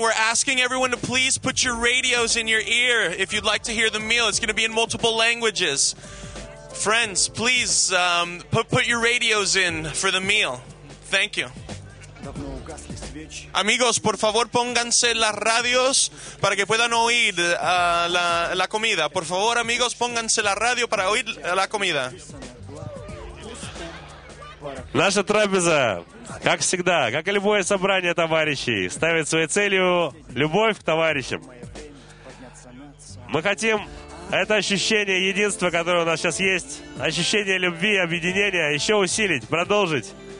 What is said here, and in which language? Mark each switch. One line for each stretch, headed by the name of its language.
English: We're asking everyone to please put your radios in your ear if you'd like to hear the meal. It's going to be in multiple languages. Friends, please put your radios in for the meal. Thank you.
Spanish: Amigos, por favor, pónganse las radios para que puedan oír la comida. Por favor, amigos, pónganse la radio para oír la comida.
Russian: Наша трапеза, как всегда, как и любое собрание товарищей, ставит своей целью любовь к товарищам. Мы хотим это ощущение единства, которое у нас сейчас есть, ощущение любви, объединения, еще усилить, продолжить.